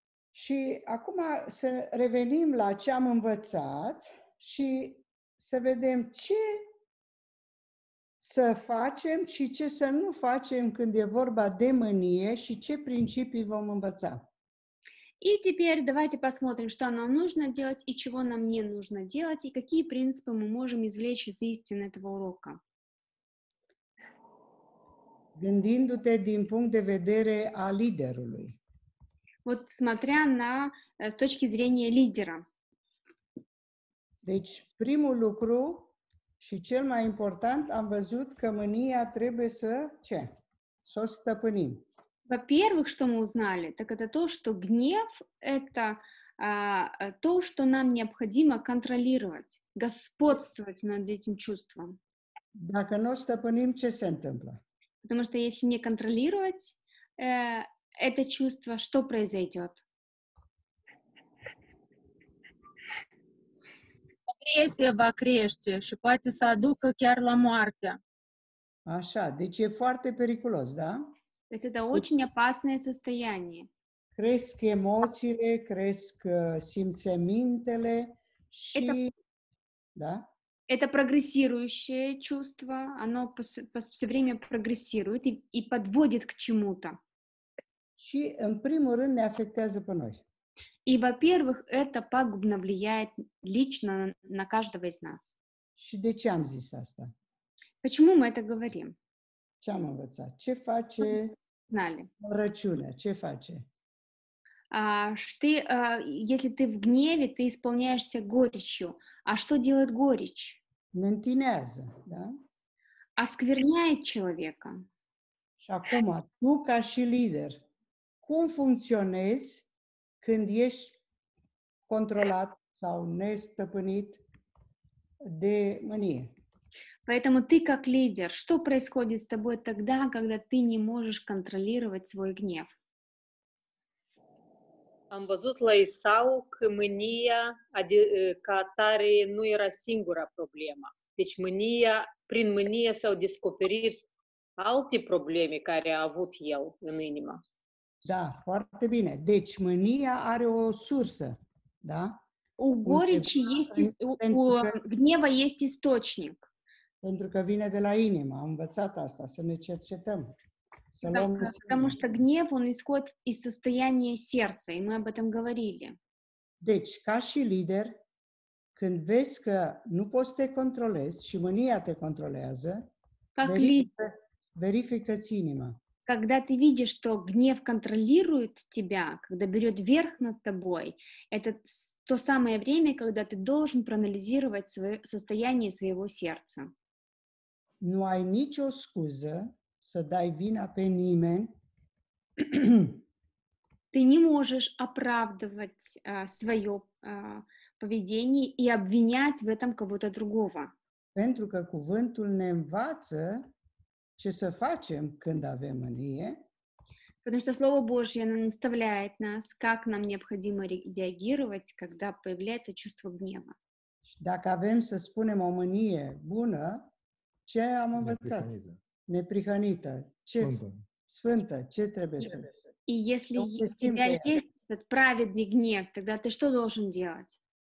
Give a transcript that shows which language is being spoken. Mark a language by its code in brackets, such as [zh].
[ro] Și acum să revenim la ce am învățat și să vedem ce să facem și ce să nu facem când e vorba de mânie și ce principii vom învăța. [ru] И теперь давайте посмотрим, что нам нужно делать и чего нам не нужно делать и какие принципы мы можем извлечь из истины этого урока. [ro] Gândindu-te din punct de vedere a liderului. [ru] Вот смотря на с точки зрения лидера. [ro] Deci primul lucru și cel mai important, am văzut că mânia trebuie să ce? Să o stăpânim. [ru] Во-первых, что мы узнали, так это то, что гнев это то, что нам необходимо контролировать, господствовать над этим чувством. [ro] Dacă nu stăpânim, ce se întâmplă? [ru] Потому что если не контролировать это чувство, что произойдет? [ro] Se va crește și poate să aducă chiar la moartea. Așa, deci e foarte periculos, da? Deci este [ru] очень опасное состояние. [ro] Cresc emoțiile, cresc simțămintele și [ru] да? Это прогрессирующее чувство, оно все время прогрессирует и подводит к чему-то. [ro] Și în primul rând ne afectează pe noi. [ru] И, во-первых, это пагубно влияет лично на каждого из нас. [ro] Și de ce am zis asta? [ru] Почему мы это говорим? [ro] Ce am învățat? Ce face мрачуня? Ce face? [ru] Если ты в гневе, ты исполняешься горечью. А что делает горечь? Ментинează, да? Оскверняет человека. [ro] Și acum, tu ca și лидер, cum funcționezi când ești controlat sau nestăpânit de mânie. [ru] Поэтому ты как лидер, что происходит с тобой тогда, когда ты не можешь контролировать свой гнев? [ro] Am văzut la Isau că mânia, ca atare, nu era singura problemă. Deci mânia, prin mânie s-au descoperit alte probleme care a avut el în inimă. Da, foarte bine. Deci mânia are o sursă, da? [ru] У горечи есть у гнева есть источник. [ro] Pentru că vine de la inimă, am învățat asta, să ne cercetăm. Să luăm [ru] потому что гнев он исходит из состояния сердца, и мы об этом говорили. [ro] Deci, ca și lider, când vezi că nu poți să te controlezi și mânia te controlează, verifică-ți inima. [ru] Когда ты видишь, что гнев контролирует тебя, когда берет верх над тобой, это то самое время, когда ты должен проанализировать свое состояние своего сердца. [ro] Nu ai nicio scuză să dai vina pe nimeni. [ru] Ты не можешь оправдывать своё поведение и обвинять в этом кого-то другого. [ro] Pentru că cuvântul ne învață ce să facem când avem mânie. [ru] Потому что Слово Божье наставляет нас, как нам необходимо реагировать, когда появляется чувство гнева. [ro] Dacă avem, să spunem, o mânie bună, ce am învățat? Neprihănită. Sfântă, ce trebuie să... [ru] И если у тебя есть этот праведный гнев, тогда ты что должен делать?